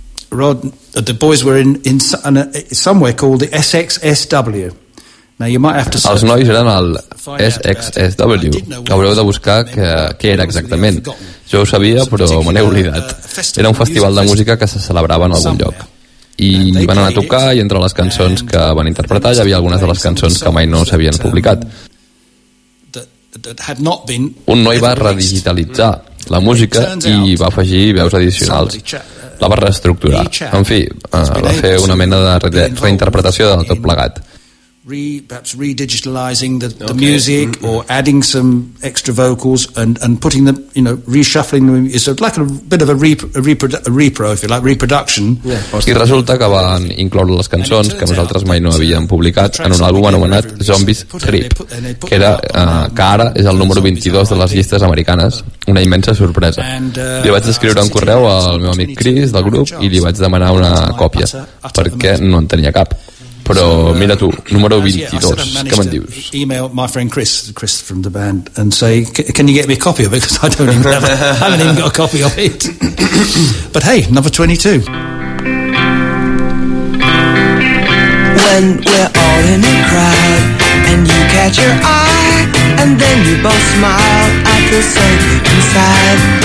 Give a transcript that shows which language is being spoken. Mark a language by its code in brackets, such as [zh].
[en] Rod, the boys were in somewhere called the SXSW. Now you might have to. [ca] Els nois eren al SXSW. Haureu de buscar què era exactament. Jo ho sabia, però me n'he oblidat. Era un festival de música que se celebrava en algun lloc. I van anar a tocar i entre les cançons que van interpretar hi havia algunes de les cançons que mai no s'havien publicat. Un noi va redigitalitzar la música i va afegir veus addicionals. La va reestructurar. En fi, va fer una mena de reinterpretació de tot plegat. [en] Redigitalizing the music or adding some extra vocals and putting them, you know, reshuffling them. It's like a bit of a reproduction. [ca] I resulta que van incloure les cançons que nosaltres mai no havíem publicat en un àlbum anomenat Zombies Rip, que ara és el número 22 de les llistes americanes. Una immensa sorpresa. Li vaig escriure un correu al meu amic Chris del grup i li vaig demanar una còpia perquè no en tenia cap. Però mira tu, número 22, què me'n dius? [en] Email my friend Chris from the band and say, can you get me a copy of it? Because I haven't even got a copy of it. But hey, number 22. When we're all in a crowd and you catch your eye and then you both smile, I feel so deep inside.